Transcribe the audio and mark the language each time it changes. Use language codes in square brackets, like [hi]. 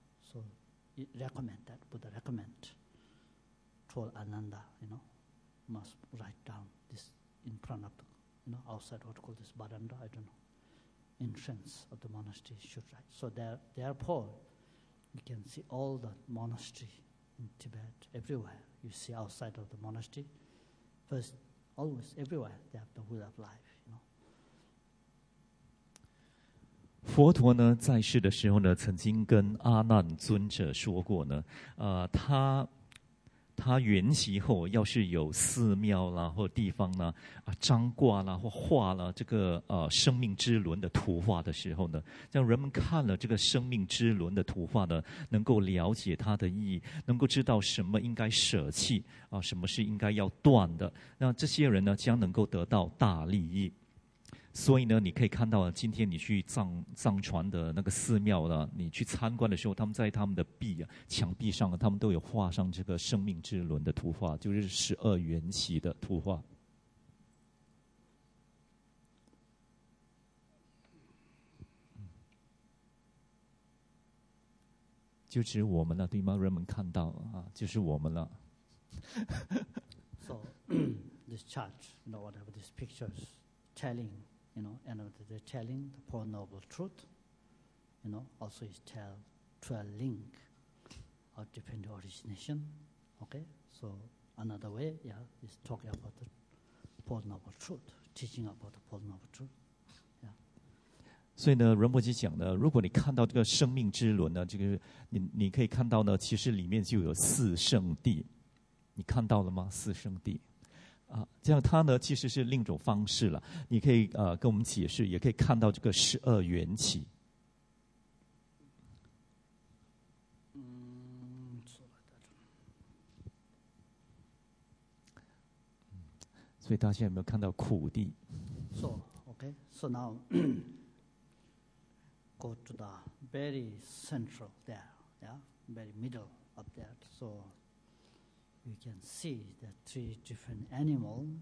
[en] So, Buddha recommend to Ananda, you know, must write down this in front of, outside what called this baranda, I don't know, entrance of the monastery should write. So therefore, you can see all the monastery in Tibet, everywhere you see outside of the monastery, first,Always, everywhere, they have the will of life, you know. [zh] 佛陀呢，在世的时候呢，曾经跟阿难尊者说过呢，他圆寂后，要是有寺庙啦或地方呢，张挂啦或画了这个生命之轮的图画的时候呢，让人们看了这个生命之轮的图画呢，能够了解它的意义，能够知道什么应该舍弃啊，什么是应该要断的，那这些人呢，将能够得到大利益。所以呢，你可以看到今天你去藏传的那个寺庙呢，你去参观的时候，他们在他们的墙壁上，他们都有画上这个生命之轮的图画，就是十二缘起的图画。就只有我们了，对吗？人们看到啊，就是我们了。 [en] So this chart, you know, whatever this picture's telling. You know, and they're telling the Four Noble Truth, you know, also is tell 12 link of different origination, okay? So another way, yeah, is talking about the Four Noble Truth, teaching about the Four Noble Truth. [zh] 所以呢，仁波切讲呢，如果你看到这个生命之轮呢，这个你可以看到呢，其实里面就有四圣地，你看到了吗？四圣地。啊，这样它呢其实是另一种方式了。你可以跟我们解释，也可以看到这个十二缘起。所以大家有没有看到苦地？ [en] So, okay. So now, go to the very central there, yeah, very middle of that. So you can see the three different animal.